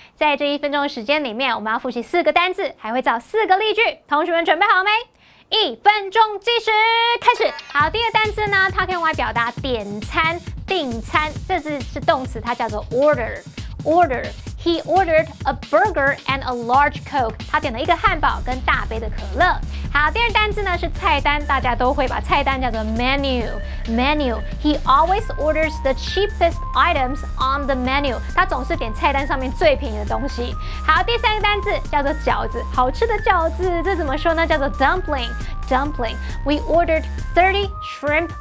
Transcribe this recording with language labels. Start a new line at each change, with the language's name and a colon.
Chinese: 在这一分钟的时间里面，我们要复习四个单字，还会造四个例句。同学们准备好了没？一分钟计时开始。好，第一个单字呢，它可以用来表达点餐、订餐。这字是动词，它叫做 order。Order.
English: He ordered a burger and a large Coke.
Chinese: 他点了一个汉堡跟大杯的可乐。好，第二单字呢是菜单，大家都会把菜单叫做 menu。
English: Menu. He always orders the cheapest items on the menu.
Chinese: 他总是点菜单上面最便宜的东西。好，第三个单字叫做饺子，好吃的饺子，这怎么说呢？叫做 dumpling。Dumpling.
English: We ordered 30 shrimp